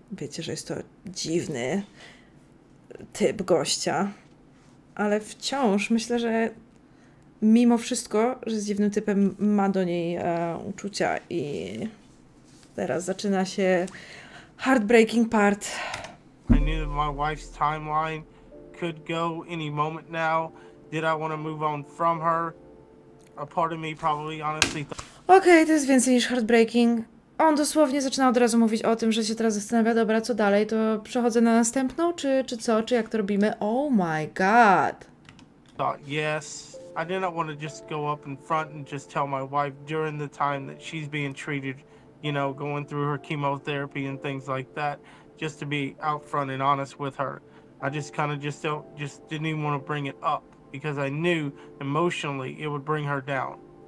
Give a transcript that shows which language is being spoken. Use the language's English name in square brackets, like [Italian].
[Polish] Wiecie, że jest to dziwny typ gościa. Ale wciąż myślę, że mimo wszystko, że z dziwnym typem ma do niej uczucia i teraz zaczyna się [English] heartbreaking part. I knew that my wife's timeline could go any moment now. Did I want to move on from her? A part of me probably honestly thought... [Polish] Okej, to jest więcej niż heartbreaking. On dosłownie zaczyna od razu mówić o tym, że się teraz zastanawia, dobra, co dalej, to przechodzę na następną, czy co, czy jak to robimy? [English] Oh my god! Yes, I did not want to just go up in front and just tell my wife during the time that she's being treated, you know, going through her chemotherapy and things like that, just to be out front and honest with her. I just kind of just didn't even want to bring it up because I knew emotionally it would bring her down.